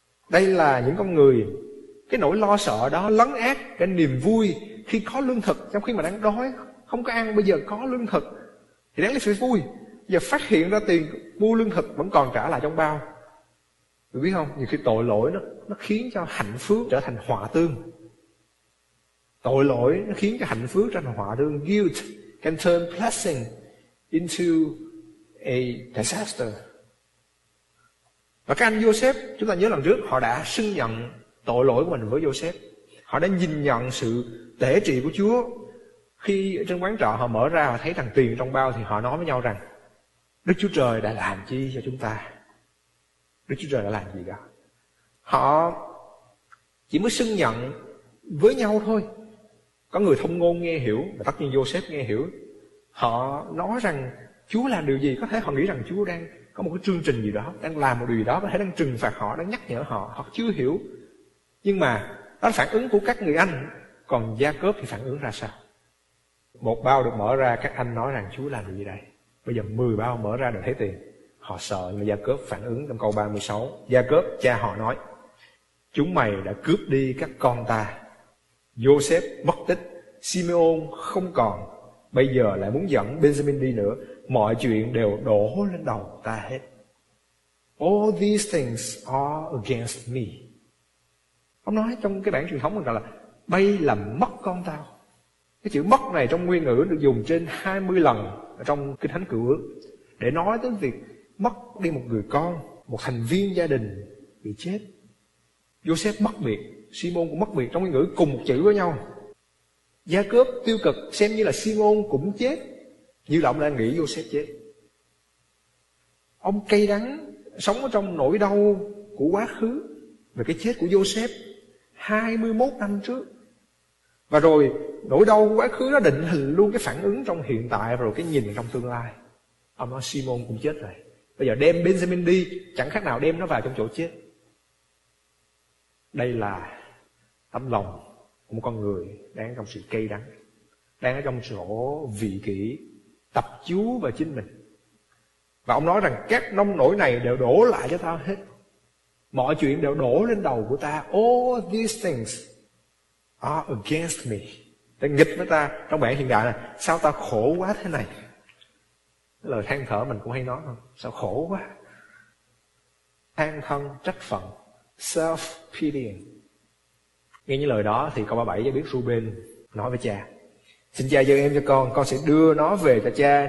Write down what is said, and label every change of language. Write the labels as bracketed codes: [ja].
[vi] Đây là những con người, cái nỗi lo sợ đó lấn át cái niềm vui khi có lương thực, trong khi mà đang đói, không có ăn, bây giờ có lương thực thì đáng lẽ phải vui. Giờ phát hiện ra tiền mua lương thực vẫn còn trả lại trong bao. Mình biết không, nhiều khi tội lỗi nó khiến cho hạnh phúc trở thành họa tương. Tội lỗi nó khiến cho hạnh phúc trở thành họa tương. [en] Guilt can turn blessing into a disaster. [vi] Và các anh Joseph, chúng ta nhớ lần trước, họ đã xưng nhận tội lỗi của mình với Joseph. Họ đã nhìn nhận sự tể trị của Chúa. Khi ở trên quán trọ họ mở ra, họ thấy thằng tiền trong bao, thì họ nói với nhau rằng, Đức Chúa Trời đã làm chi cho chúng ta? Đức Chúa Trời đã làm gì cả? Họ chỉ mới xưng nhận với nhau thôi. Có người thông ngôn nghe hiểu, và tất nhiên Joseph nghe hiểu. Họ nói rằng Chúa làm điều gì, có thể họ nghĩ rằng Chúa đang có một cái chương trình gì đó, đang làm một điều gì đó, có thể đang trừng phạt họ, đang nhắc nhở họ, hoặc chưa hiểu. Nhưng mà đó là phản ứng của các người anh. Còn Gia-cốp thì phản ứng ra sao? Một bao được mở ra, các anh nói rằng Chúa làm điều gì đây? Bây giờ 10 bao mở ra đều thấy tiền. Họ sợ, nhưng mà Gia-cốp phản ứng trong câu 36. Gia-cốp cha họ nói, chúng mày đã cướp đi các con ta. Joseph mất tích, Simeon không còn, bây giờ lại muốn dẫn Benjamin đi nữa. Mọi chuyện đều đổ lên đầu ta hết. [en] All these things are against me. [vi] Ông nói trong cái bản truyền thống là bay là mất con tao. Cái chữ mất này trong nguyên ngữ được dùng trên 20 lần trong Kinh Thánh Cựu Ước để nói tới việc mất đi một người con, một thành viên gia đình bị chết. Joseph mất việc, Simon cũng mất việc, trong nguyên ngữ cùng một chữ với nhau. Gia-cốp tiêu cực, xem như là Simon cũng chết, như là ông đang nghĩ Joseph chết. Ông cay đắng, sống ở trong nỗi đau của quá khứ về cái chết của Joseph 21 năm trước. Và rồi nỗi đau của quá khứ nó định hình luôn cái phản ứng trong hiện tại, và rồi cái nhìn trong tương lai. Ông nói Simon cũng chết rồi, bây giờ đem Benjamin đi, chẳng khác nào đem nó vào trong chỗ chết. Đây là tấm lòng của một con người đang trong sự cay đắng, đang ở trong chỗ vị kỷ, tập chú vào chính mình. Và ông nói rằng các nông nỗi này đều đổ lại cho tao hết. Mọi chuyện đều đổ lên đầu của ta. [en] All these things are against me. [vi] Để nghịch với ta. Trong bản hiện đại là sao ta khổ quá thế này. Cái lời than thở mình cũng hay nói không? Sao khổ quá. Than thân trách phận. Self-pitying. Nghe những lời đó thì câu 37 cho biết Ruben nói với cha, xin cha dâng em cho con sẽ đưa nó về cho cha.